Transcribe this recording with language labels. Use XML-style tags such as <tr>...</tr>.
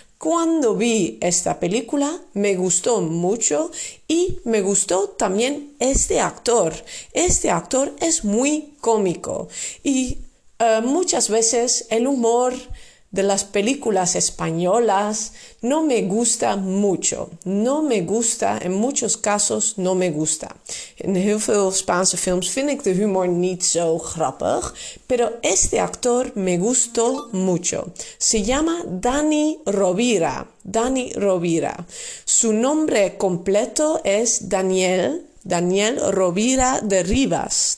<es>Cuando vi esta película, me gustó mucho y me gustó también este actor. Este actor es muy cómico y muchas veces el humor de las películas españolas no me gusta mucho. No me gusta, en muchos casos no me gusta.</es> <nl>En heel veel Spaanse films vind ik de humor niet zo grappig,</nl> <es>pero este actor me gustó mucho. Se llama Dani Rovira. Dani Rovira. Su nombre completo es Daniel Rovira de Rivas.</es>